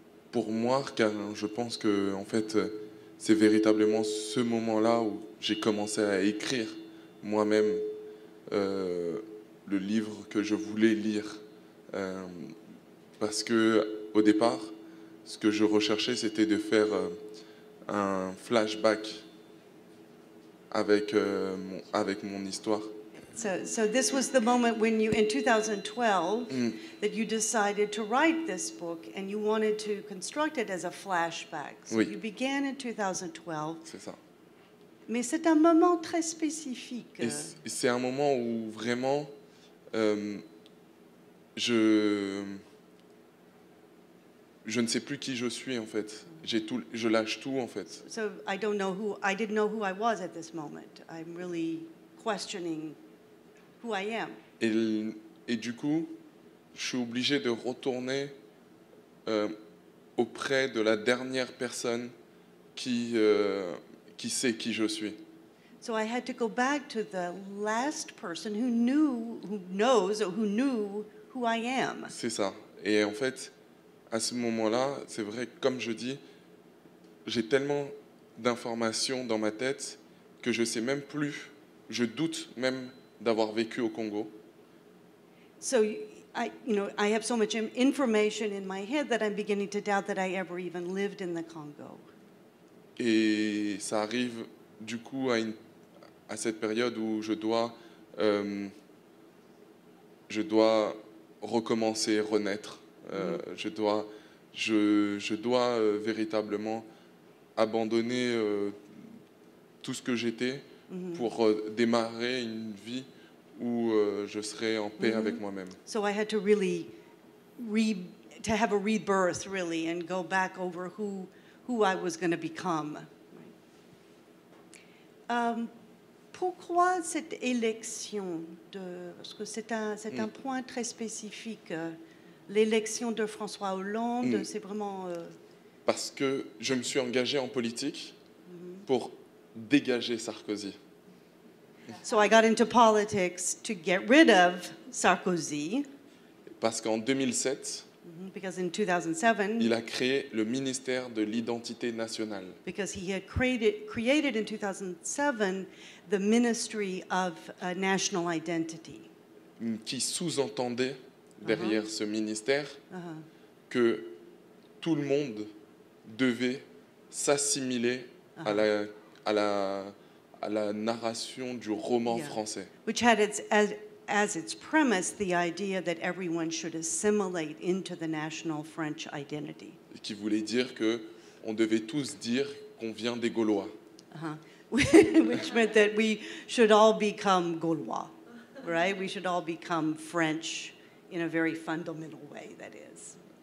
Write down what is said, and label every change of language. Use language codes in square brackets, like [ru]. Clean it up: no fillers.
[fr] Pour moi, car je pense que en fait, c'est véritablement ce moment-là où j'ai commencé à écrire moi-même le livre que je voulais lire. Parce que au départ, ce que je recherchais, c'était de faire un flashback avec mon histoire. [en] So this was the moment when you, in 2012, that you decided to write this book and you wanted to construct it as a flashback. So [fr] oui. [en] You began in 2012. [fr] C'est ça. Mais c'est un moment très spécifique. Et c'est un moment où vraiment, je ne sais plus qui je suis en fait. J'ai tout, je lâche tout en fait. [en] So I don't know who, I didn't know who I was at this moment. I'm really questioning who I am. [fr] Et du coup, je suis obligé de retourner auprès de la dernière personne qui sait qui je suis. [en] So I had to go back to the last person who knew, who knows, or who knew who I am. [fr] C'est ça. Et en fait, à ce moment-là, c'est vrai, comme je dis, j'ai tellement d'informations dans ma tête que je sais même plus, je doute même d'avoir vécu au Congo. [en] So I have so much information in my head that I'm beginning to doubt that I ever even lived in the Congo. [fr] Et ça arrive du coup à cette période où je dois recommencer, renaître. Je dois véritablement abandonner tout ce que j'étais pour démarrer une vie où je serai en paix avec moi-même. [en] So I had to really to have a rebirth really and go back over who I was going to become. [fr] Pourquoi cette élection de, parce que c'est un point très spécifique, l'élection de François Hollande, c'est vraiment parce que je me suis engagé en politique pour dégager Sarkozy. [en] So I got into politics to get rid of Sarkozy. [fr] Parce qu'en 2007, [en] because in 2007, [fr] il a créé le ministère de l'identité nationale. [en] Because he had created in 2007 the Ministry of National Identity. [fr] Qui sous-entendait derrière ce ministère que tout le monde devait s'assimiler à la narration du roman français. [en] Which had its premise the idea that everyone should assimilate into the national French identity. [fr] Et qui voulait dire que on devait tous dire qu'on vient des Gaulois. [en] Which meant that we should all become Gaulois. right? We should all become French in a very fundamental way, that is.